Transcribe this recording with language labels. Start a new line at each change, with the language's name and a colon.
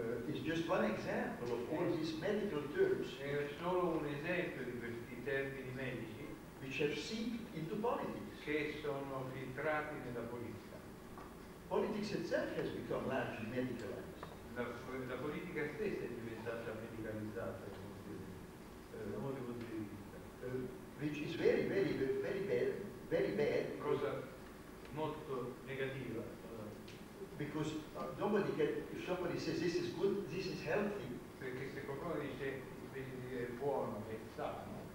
English: It's just one example of all these medical terms.
Italian: È solo un esempio di questi termini medici.
English: Which have seeped into politics.
Italian: Che sono filtrati nella politica.
English: Politics itself has become largely medicalized.
Italian: La politica stessa è diventata medicalizzata, da molti punti di vista.
English: Which is very, very, very bad, very bad.
Italian: Cosa molto negativa.
English: Because nobody can, if somebody says this is good, this is healthy.
Italian: Perché se qualcuno dice è buono, è sano.